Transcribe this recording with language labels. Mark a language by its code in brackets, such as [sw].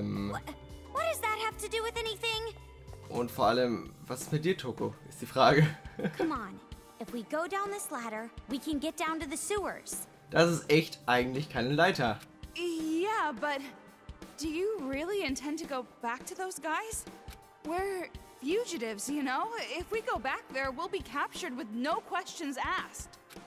[en] What does that have to do with anything? [de] Und vor allem, was ist mit dir, Togo? Ist die Frage. [en] Come on. If we go down this ladder, we can get down to the sewers. [de] Das ist echt eigentlich keine Leiter. [en] Yeah, but... Do you really intend to go back to those guys? We're fugitives, you know? If we go back there, we'll be captured with no questions asked.